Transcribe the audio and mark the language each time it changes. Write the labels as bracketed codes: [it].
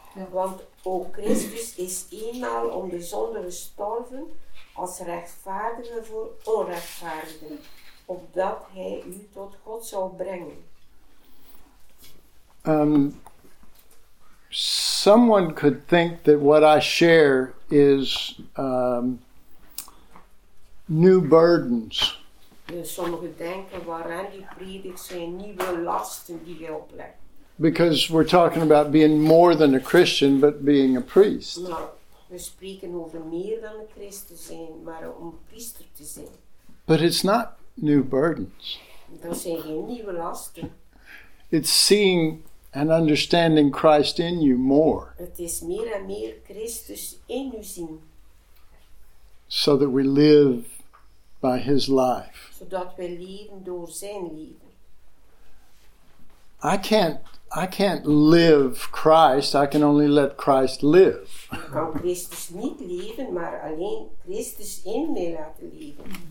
[nl] Want ook Christus is eenmaal om de zonde gestorven als rechtvaardige voor onrechtvaardigen, opdat hij u tot God zou brengen. [en] Someone could think that what I share is new burdens. [nl] Sommigen denken waaraan die predik zijn nieuwe lasten die je oplegt. [en] Because we're talking about being more than a Christian, but being a priest. [nl] We spreken over meer dan een Christen zijn, maar om priester te zijn. [en] But it's not new burdens. [nl] Dat zijn geen nieuwe lasten. [en] It's seeing and understanding Christ in you more. [nl] Het is meer en meer Christus in u zien. [en] So that we live by his life. [nl] Zodat we leven door zijn leven. [en] I can't live Christ. I can only let Christ live. [nl] Kan Christus niet leven, maar alleen Christus in me laten leven.